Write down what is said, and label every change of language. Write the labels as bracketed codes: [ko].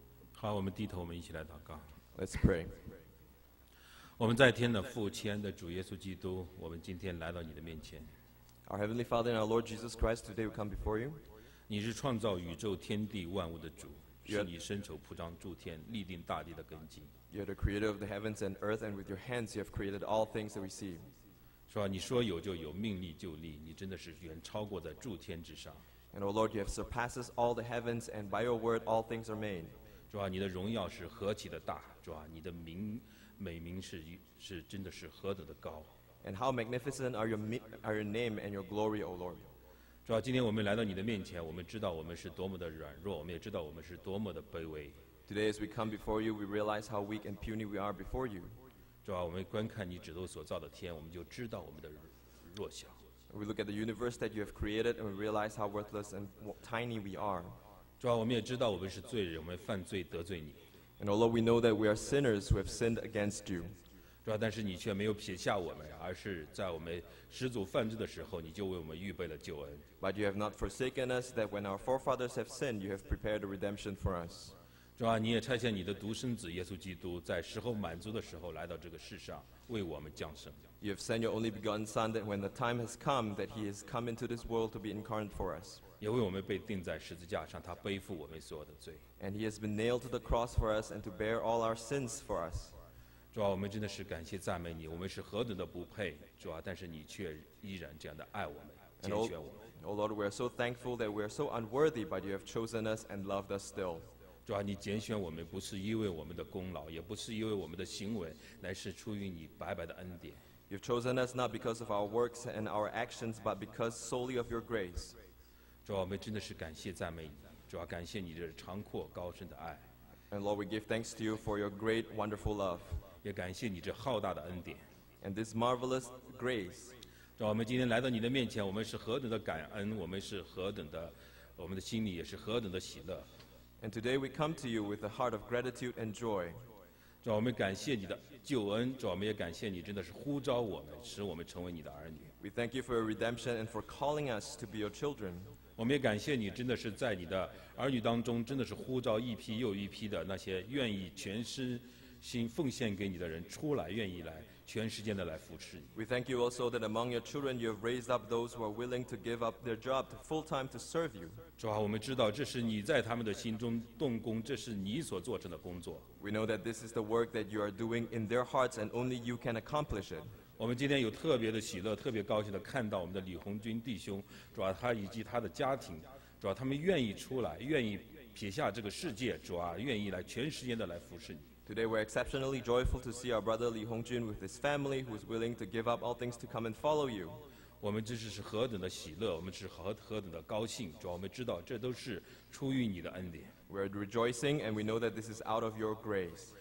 [zh] 好，我们低头，我们一起来祷告。 [en] Let's pray。 [zh] 我们在天的父，亲爱的主耶稣基督，我们今天来到你的面前。 [en] Our heavenly Father and our Lord Jesus Christ, today we come before you. [zh] 你是创造宇宙天地万物的主，是你伸手铺张诸天，立定大地的根基。 [en] You're the creator of the heavens and earth, and with your hands you have created all things that we see. [zh] 是吧？你说有就有，命立就立，你真的是远超过在诸天之上。 [en] And O Lord, you have surpasses all the heavens, and by your word all things are made. [zh] 主啊，你的荣耀是何其的大！主啊，你的名美名是真的是何等的高 [en] ！And how magnificent are your name and your glory, O Lord！ [zh] 主啊，今天我们来到你的面前，我们知道我们是多么的软弱，我们也知道我们是多么的卑微。 [en] Today as we come before you, we realize how weak and puny we are before you. [zh] 主啊，我们观看你指头所造的天，我们就知道我们的弱小。 [en] We look at the universe that you have created and we realize how worthless and tiny we are. [zh] 主啊，我们也知道我们是罪人，我们犯罪得罪你。 [en] And although we know that we are sinners who have sinned against you, [zh] 主啊，但是你却没有撇下我们，而是在我们始祖犯罪的时候，你就为我们预备了救恩。 [en] But you have not forsaken us, that when our forefathers have sinned, you have prepared a redemption for us. [zh] 主啊，你也差遣你的独生子耶稣基督，在时候满足的时候来到这个世上，为我们降生。 [en] You have sent your only begotten Son, that when the time has come, that he has come into this world to be incarnate for us. [zh] 也为我们被钉在十字架上，他背负我们所有的罪。 [en] And he has been nailed to the cross for us and to bear all our sins for us. [zh] 主啊，我们真的是感谢赞美你，我们是何等的不配，主啊，但是你却依然这样的爱我们，拣选我们。 [en] Oh Lord, we are so thankful that we are so unworthy, but you have chosen us and loved us still. [zh] 主啊，你拣选我们不是因为我们的功劳，也不是因为我们的行为，乃是出于你白白的恩典。 [en] You've chosen us not because of our works and our actions, but because solely of your grace. [zh] 主啊，我们真的是感谢赞美你，主啊，感谢你的长阔高深的爱。 [en] And Lord, we give thanks to you for your great, wonderful love. [zh] 也感谢你这浩大的恩典。 [en] And this marvelous grace. [zh] 主啊，我们今天来到你的面前，我们是何等的感恩，我们是何等的，我们的心里也是何等的喜乐。 [en] And today we come to you with a heart of gratitude and joy. [zh] 主啊，我们感谢你的救恩，主啊，我们也感谢你真的是呼召我们，使我们成为你的儿女。 [en] We thank you for your redemption and for calling us to be your children. [zh] 我们也感谢你真的是在你的儿女当中真的是呼召一批又一批的那些愿意全身心奉献给你的人出来，愿意来全时间的来扶持你。 [en] We thank you also that among your children you have raised up those who are willing to give up their job to full time to serve you. [zh] 主啊，我们知道这是你在他们的心中动工，这是你所做成的工作。 [en] We know that this is the work that you are doing in their hearts and only you can accomplish it. [zh] 我们今天有特别的喜乐，特别高兴的看到我们的李红军弟兄，主啊，他以及他的家庭，主啊，他们愿意出来，愿意撇下这个世界，主啊，愿意来全时间的来服侍你。 [en] Today we're exceptionally joyful to see our brother Lee Hongjun with his family who is willing to give up all things to come and follow you. [zh] 我们真是何等的喜乐，我们是何等的高兴，主啊，我们知道这都是出于你的恩典。 [en] We're rejoicing and we know that this is out of your grace.